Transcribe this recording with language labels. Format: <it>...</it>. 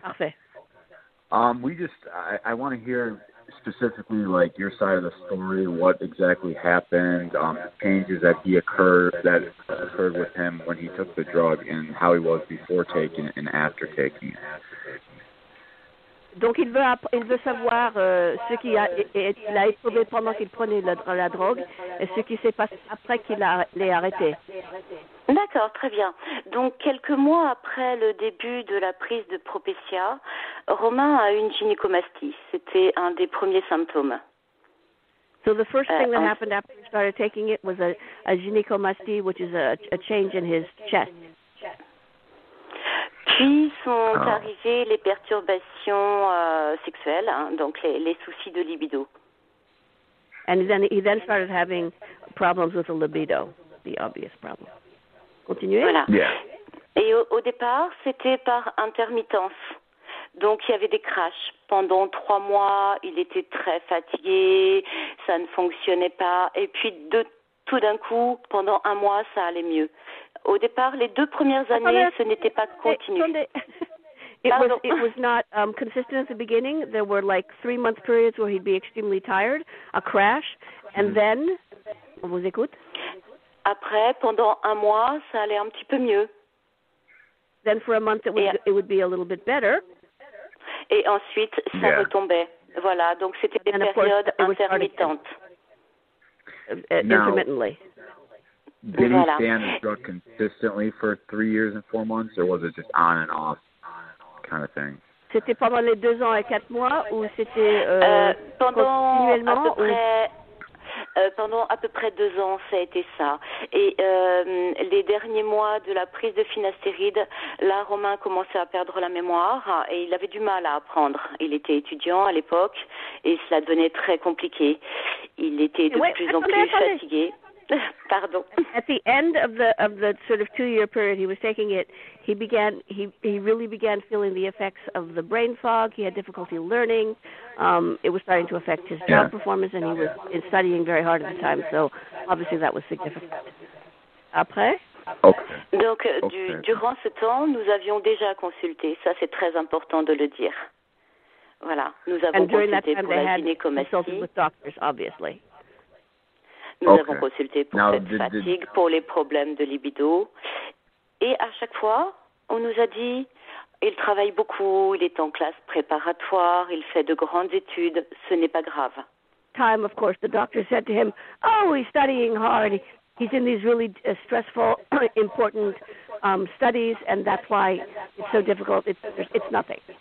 <fr>Parfait.</fr> <en>I want to hear specifically, like, your side of the story, what exactly happened, changes that occurred with him when he took the drug and how he was before taking it and after taking it.</en> <fr>Donc, il veut savoir ce qu'il a éprouvé pendant qu'il prenait la drogue et ce qui s'est passé après qu'il l'ait arrêté. D'accord, très bien. Donc, quelques mois après le début de la prise de Propecia, Romain a eu une gynécomastie. C'était un des premiers symptômes.</fr> <en>So the first thing that happened after he started taking it was a gynécomastie, which is a change in his chest.</en> <fr>Puis sont arrivées les perturbations sexuelles, hein, donc les soucis de libido.</fr> <en>And then he then started having problems with the libido, the obvious problem.</en> <fr>Continuez. Voilà.</fr> <en>Yeah.</en> <fr>Et au départ, c'était par intermittence. Donc, il y avait des crashs. Pendant 3 mois, il était très fatigué, ça ne fonctionnait pas. Et puis, tout d'un coup, pendant 1 mois, ça allait mieux. Au départ, les 2 premières années, ce n'était pas continu.</fr> <en>It was not consistent at the beginning. There were like 3 month periods where he'd be extremely tired, a crash, and then,</en> <fr>on vous écoute. Après, pendant 1 mois, ça allait un petit peu mieux.</fr> <en>Then for a month, it would be a little bit better.</en> <fr>Et ensuite, ça retombait. Voilà, donc c'était des périodes intermittentes.</fr> <en>Intermittently. Did he stand the drug consistently for 3 years and 4 months, or was it just on and off kind of thing?</en> <fr>C'était pendant les 2 ans et 4 mois, ou c'était pendant continuellement? À peu près, Pendant à peu près 2 ans, ça a été ça. Et les derniers mois de la prise de finastéride, là, Romain commençait à perdre la mémoire et il avait du mal à apprendre. Il était étudiant à l'époque et cela devenait très compliqué. Il était de plus en plus fatigué. Pardon.</fr> <en>At the end of the sort of 2 year period he was taking it, he really began feeling the effects of the brain fog. He had difficulty learning. It was starting to affect his job performance, and he was studying very hard at the time. So obviously that was significant.</en> <fr>Après.</fr> <en>Okay.</en> <fr>Donc durant ce temps, nous avions déjà consulté. Ça c'est très important de le dire. Voilà, nous avons consulté pour la gynécomastie.</fr> <en>Consulted with doctors, obviously.</en> <fr>Nous avons consulté pour cette fatigue, pour les problèmes de libido. Et à chaque fois, on nous a dit, il travaille beaucoup, il est en classe préparatoire, il fait de grandes études, ce n'est pas grave.</fr> <en>Time, of course, the doctor said to him, oh, he's studying hard, he's in these really stressful, important studies, and that's why it's so difficult, it's nothing.</en>